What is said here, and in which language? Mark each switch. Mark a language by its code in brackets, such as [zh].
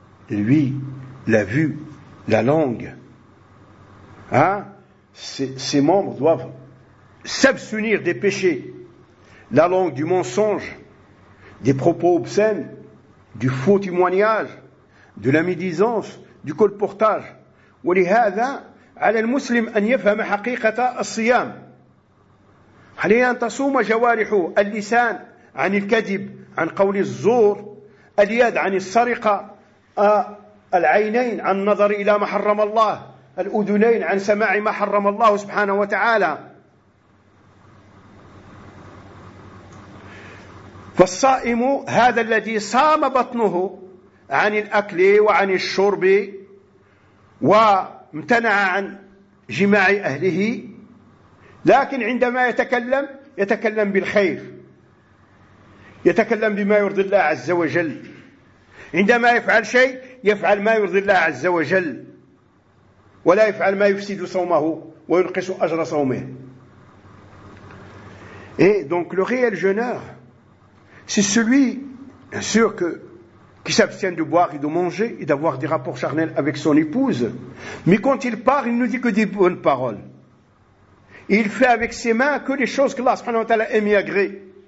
[fr] Lui, la vue, la langue. Hein? Ces membres doivent s'abstenir des péchés. La langue du mensonge, des propos obscènes, du faux témoignage, de la médisance, du colportage. [ar] ولهذا على المسلم أن يفهم حقيقة الصيام. عليه أن تصوم جوارحه اللسان عن الكذب عن قول الزور اليد عن السرقة العينين عن النظر إلى ما حرم الله الأذنين عن سماع ما حرم الله سبحانه وتعالى فالصائم هذا الذي صام بطنه عن الأكل وعن الشرب وامتنع عن جماع أهله لكن عندما يتكلم يتكلم بالخير يتكلم بما يرضي الله عز وجل عندما يفعل شيء يفعل ما يرضي الله عز وجل ولا يفعل ما يفسد صومه وينقص أجر صومه. [fr] Et donc le réel jeûneur, c'est celui, bien sûr, qui s'abstient de boire et de manger et d'avoir des rapports charnels avec son épouse. Mais quand il part, il ne dit que des bonnes paroles. Et il fait avec ses mains que les choses que Allah subhanahu wa ta'ala aime et agré.